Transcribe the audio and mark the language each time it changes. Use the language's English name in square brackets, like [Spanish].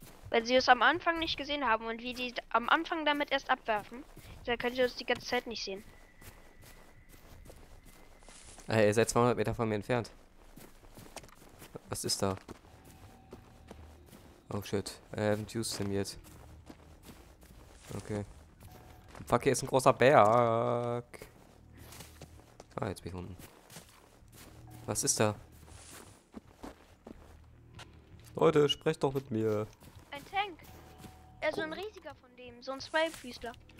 [German] Wenn sie es am Anfang nicht gesehen haben und wie die am Anfang damit erst abwerfen, dann können sie uns die ganze Zeit nicht sehen. Hey, ihr seid 200 Meter von mir entfernt. Was ist da? [English] Oh shit, I haven't used him yet. Okay. [German] Fuck, hier ist ein großer Berg. Ah, jetzt bin ich unten. Was ist da? Leute, sprecht doch mit mir. Ein Tank. Ja, so ein riesiger von dem. So ein Zweifüßler.